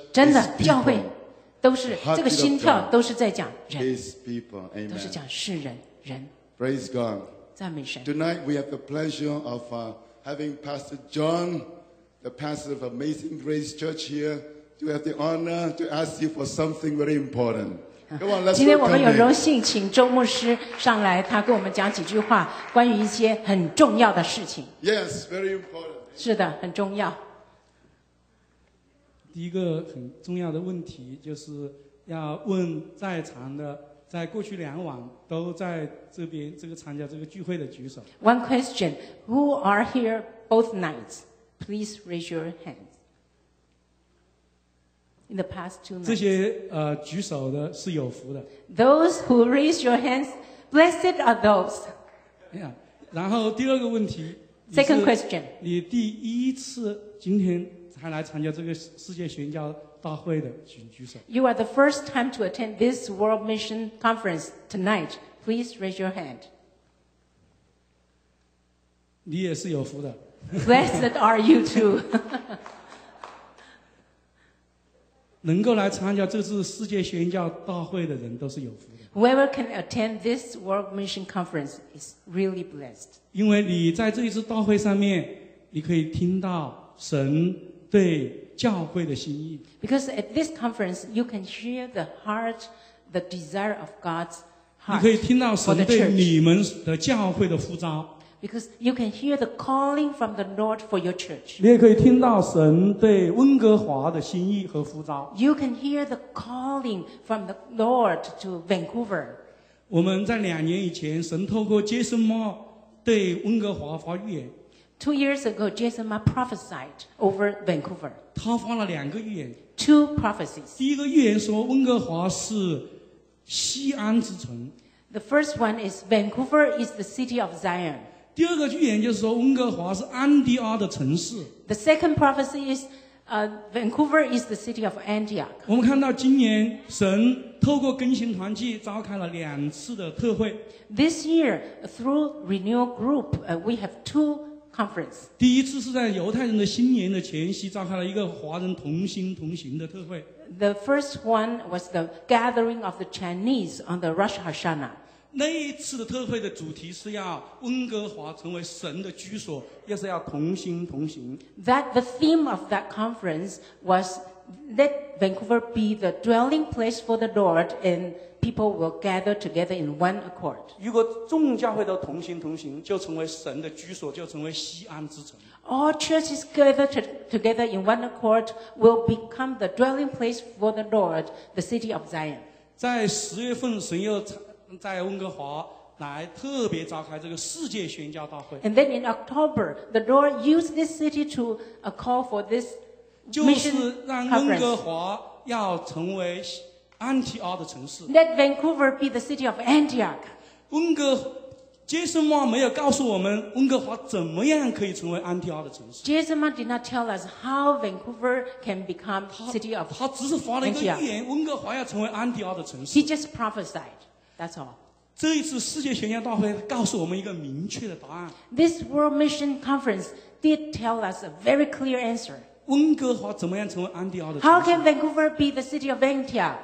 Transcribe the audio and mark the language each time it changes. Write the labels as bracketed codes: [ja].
[zh] 真的，教会都是这个心跳都是在讲人。 [en] It's people. Amen. [zh] 都是讲世人，人。 [en] Praise God. [zh] 赞美神。 [en] Tonight we have the pleasure of having Pastor John, the pastor of Amazing Grace Church here. To have the honor to ask you for something very important. Come on, let's [zh] 今天我们有荣幸请周牧师上来，他跟我们讲几句话，关于一些很重要的事情。 [en] Yes, very important. [zh] 是的，很重要。第一个很重要的问题就是要问在场的，在过去两晚都在这边这个参加这个聚会的举手。 [en] One question: Who are here both nights? Please raise your hand. In the past two nights. [zh] 这些举手的是有福的。 [en] Those who raise your hands, blessed are those. [zh] Yeah. 然后第二个问题。 [en] Second question. [zh] 你第一次今天才来参加这个世界宣教大会的，请举手。 [en] You are the first time to attend this World Mission Conference tonight. Please raise your hand. [zh] 你也是有福的。 [en] Blessed are you too. [zh] 能够来参加这次世界宣教大会的人都是有福的。 [en] Whoever can attend this World Mission Conference is really blessed. [zh] 因为你在这一次大会上面，你可以听到神对教会的心意。 [en] Because at this conference, you can hear the heart, the desire of God's heart. [zh] 你可以听到神对你们的教会的呼召。 [en] Because you can hear the calling from the Lord for your church. [zh] 你也可以听到神对温哥华的心意和呼召。 [en] You can hear the calling from the Lord to Vancouver. [zh] 我们在两年以前，神透过 Jason Ma 对温哥华发预言。 [en] Two years ago, Jason Ma prophesied over Vancouver. [zh] 他发了两个预言。 [en] Two prophecies. [zh] 第一个预言说温哥华是西安之城。 [en] The first one is Vancouver is the city of Zion. [zh] 第二个预言就是说温哥华是安迪阿的城市。 [en] The second prophecy is, Vancouver is the city of Antioch. [zh] 我们看到今年神透过更新团契召开了两次的特会。 [en] This year, through Renewal Group, we have two conferences. [zh] 第一次是在犹太人的新年的前夕召开了一个华人同心同行的特会。 [en] The first one was the gathering of the Chinese on the Rosh Hashanah. [zh] 那一次的特会的主题是要温哥华成为神的居所，也是要同心同行。 [en] That the theme of that conference was let Vancouver be the dwelling place for the Lord, and people will gather together in one accord. [zh] 如果众教会都同心同行，就成为神的居所，就成为西安之城。 [en] All churches gathered together in one accord will become the dwelling place for the Lord, the city of Zion. [zh] 在十月份，神又在温哥华来特别召开这个世界宣教大会。 [en] And then in October, the Lord used this city to a call for this mission conference. [zh] 就是让温哥华要成为安提阿的城市。 [en] Let Vancouver be the city of Antioch. [zh] 温哥Jason Ma 没有告诉我们温哥华怎么样可以成为安提阿的城市。 [en] Jason Ma did not tell us how Vancouver can become city of Antioch. [zh] 他只是发了一个预言，温哥华要成为安提阿的城市。 [en] He just prophesied. That's all. [zh] 这一次世界宣教大会告诉我们一个明确的答案。 [en] This World Mission Conference did tell us a very clear answer. [zh] 温哥华怎么样成为安提阿的城市？ [en] How can Vancouver be the city of Antioch?